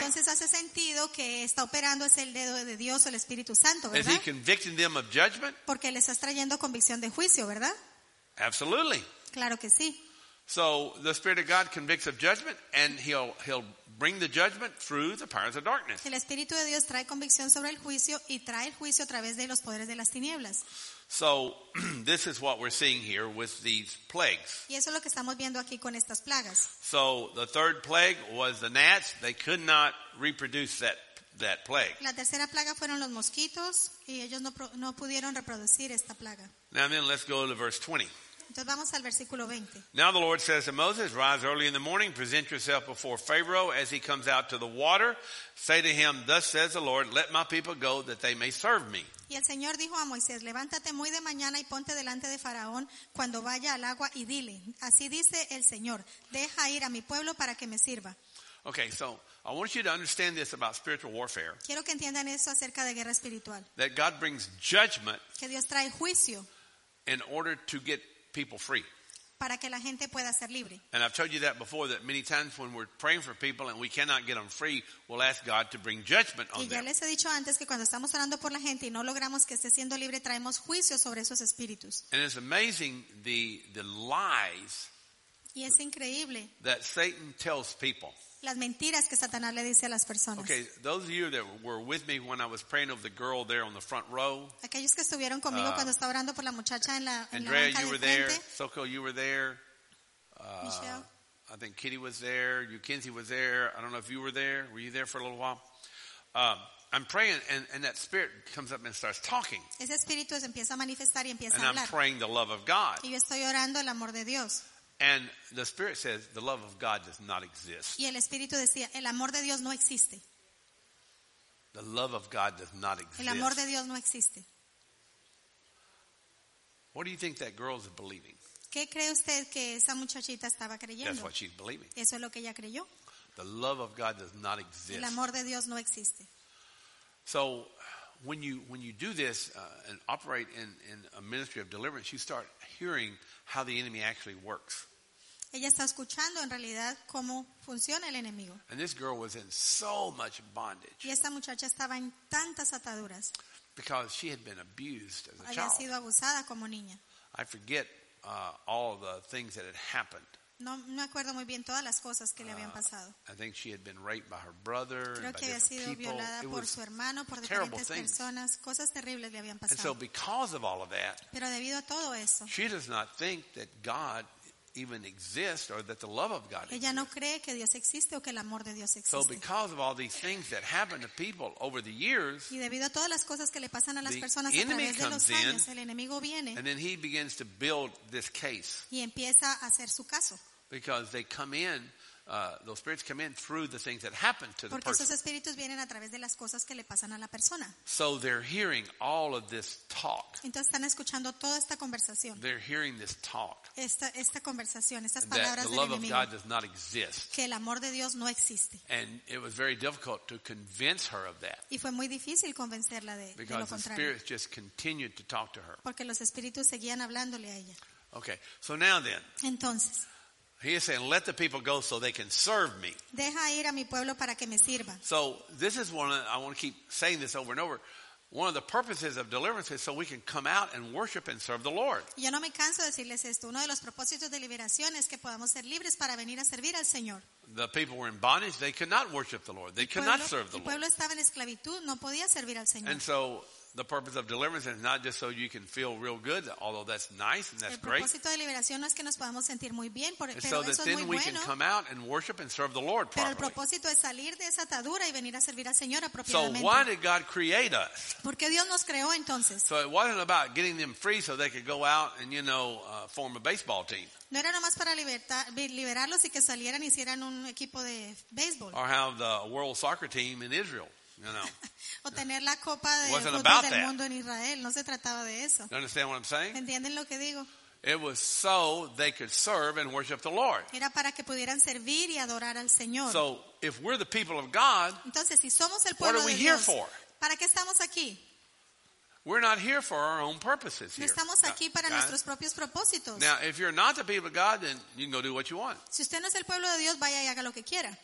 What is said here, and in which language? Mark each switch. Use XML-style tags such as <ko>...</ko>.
<es>Entonces hace sentido que está operando es el dedo de Dios o el Espíritu Santo, ¿verdad?</es> <en>Is he convicting them of judgment?</en> <es>Porque les está trayendo convicción de juicio, ¿verdad?</es> <en>Absolutely.</en> <es>Claro que sí.</es> <en>So the Spirit of God convicts of judgment, and he'll bring the judgment through the powers of darkness.</en> <es>El Espíritu de Dios trae convicción sobre el juicio y trae el juicio a través de los poderes de las tinieblas.</es> <en>So this is what we're seeing here with these plagues.</en> <es>Y eso es lo que estamos viendo aquí con estas plagas.</es> <en>So the third plague was the gnats. They could not reproduce that plague.</en> <es>La tercera plaga fueron los mosquitos y ellos no pudieron reproducir esta plaga.</es> <en>Now then, let's go to verse 20.</en> <es>Entonces vamos al versículo 20.</es> <en>Now the Lord says to Moses, rise early in the morning, present yourself before Pharaoh as he comes out to the water. Say to him, thus says the Lord, let my people go that they may serve me.</en> <es>Y el Señor dijo a Moisés, levántate muy de mañana y ponte delante de Faraón cuando vaya al agua y dile, así dice el Señor, deja ir a mi pueblo para que me sirva.</es> <en>Okay, so I want you to understand this about spiritual warfare.</en> <es>Quiero que entiendan eso acerca de guerra espiritual.</es> <en>That God brings judgment.</en> <es>Que Dios trae juicio.</es> <en>In order to get people free.</en> <es>Para que la gente pueda ser libre.</es> <en>And I've told you that before, that many times when we're praying for people and we cannot get them free, we'll ask God to bring judgment on them.</en> <es>Y ya les he dicho antes que cuando estamos orando por la gente y no logramos que esté siendo libre, traemos juicio sobre esos espíritus.</es> <en>And it's amazing the lies.</en> <es>Y es increíble.</es> <en>That Satan tells people.</en> <es>Las mentiras que Satanás le dice a las personas.</es> <en>Okay, those of you that were with me when I was praying over the girl there on the front row.</en> <es>Aquellos que estuvieron conmigo cuando estaba orando por la muchacha en la banca de frente.</es> <en>Andrea, you were there. Soko, you were there. Michelle. I think Kitty was there. Yukenzi was there. I don't know if you were there. Were you there for a little while? I'm praying, and that spirit comes up and starts talking.</en> <es>Ese espíritu se empieza a manifestar y empieza</es> <en>and</en> <es>a hablar.</es> <en>And I'm praying the love of God.</en> <es>Y yo estoy orando el amor de Dios.</es> <en>And the spirit says the love of God does not exist.</en> <es>Y el espíritu decía el amor de Dios no existe.</es> <en>The love of God does not exist.</en> <es>El amor de Dios no existe.</es> <en>What do you think that girl is believing?</en> <es>¿Qué cree usted que esa muchachita estaba creyendo?</es> <en>That's what she's believing.</en> <es>Eso es lo que ella creyó.</es> <en>The love of God does not exist.</en> <es>El amor de Dios no existe.</es> <en>So when you do this and operate in a ministry of deliverance, you start hearing how the enemy actually works.</en> <es>Ella está escuchando en realidad cómo funciona el enemigo.</es> <en>And this girl was in so much bondage.</en> <es>Y esta muchacha estaba en tantas ataduras.</es> <en>Because she had been abused as a child.</en> <es>Había sido abusada como niña.</es> <en>I forget all the things that had happened.</en> <es>No me acuerdo muy bien todas las cosas que le habían pasado.</es> <en>I think she had been raped by her brother.</en> <es>Creo que había sido violada por su hermano, por diferentes personas. Cosas terribles le habían pasado.</es> <en>And so because of all of that,</en> <es>pero debido a todo eso,</es> <en>she does not think that God even exists or that the love of God exists.</en> <es>Ella no cree que Dios existe o que el amor de Dios existe.</es> <en>So because of all these things that happen to people over the years,</en> <es>y debido a todas las cosas que le pasan a las personas a través de los años, el enemigo viene,</es> <en>and then he begins to build this case.</en> <es>Y empieza a hacer su caso.</es> <en>Because they come in, those spirits come in through the things that happen to the person.</en> <es>Porque esos espíritus vienen a través de las cosas que le pasan a la persona.</es> <en>So they're hearing all of this talk.</en> <es>Entonces están escuchando toda esta conversación.</es> <en>They're hearing this talk.</en> <es>Esta conversación, estas palabras del enemigo.</es> <en>That the love of God does not exist.</en> <es>Que el amor de Dios no existe.</es> <en>And it was very difficult to convince her of that.</en> <es>Y fue muy difícil convencerla de lo contrario.</es> <en>Because the spirits just continued to talk to her.</en> <es>Porque los espíritus seguían hablándole a ella.</es> <en>Okay, so now then.</en> <es>Entonces.</es> <en>He is saying, "Let the people go, so they can serve me."</en> <es>Deja ir a mi pueblo para que me sirva.</es> <en>So this is one. I want to keep saying this over and over. One of the purposes of deliverance is so we can come out and worship and serve the Lord.</en> <es>Yo no me canso de decirles esto. Uno de los propósitos de liberación es que podamos ser libres para venir a servir al Señor.</es> <en>The people were in bondage; they could not worship the Lord. They could not serve the Lord.</en> <es>El pueblo estaba en esclavitud; no podía servir al Señor.</es> <en>And so. The purpose of deliverance is not just so you can feel real good, although that's nice and that's great.</en> <es>El propósito de liberación no es que nos podamos sentir muy bien, pero eso es muy bueno.</es> <en>So that then we can come out and worship and serve the Lord properly.</en> <es>Pero el propósito es salir de esa atadura y venir a servir al Señor apropiadamente.</es> <en>So why did God create us?</en> <es>¿Por qué Dios nos creó entonces?</es> <en>So it wasn't about getting them free so they could go out and, you know, form a baseball team.</en> <es>No era nomás para liberarlos y que salieran y hicieran un equipo de béisbol.</es> <en>Or have the world soccer team in Israel. You know,</en> <es>o tener la copa de fútbol del mundo en Israel, no se trataba de eso.</es> <en>You understand what I'm saying?</en> <es>¿Entienden lo que digo?</es> <en>It was so they could serve and worship the Lord.</en> <es>Era para que pudieran servir y adorar al Señor.</es> <en>So if we're the people of God,</en> <es>entonces si somos el pueblo de Dios, ¿para qué estamos aquí?</es> <en>We're not here for our own purposes here.</en> <es>No estamos aquí para nuestros propios propósitos.</es> <en>Now, if you're not the people of God, then you can go do what you want.</en> <es>Si usted no es el pueblo de Dios, vaya y haga lo que quiera.</es>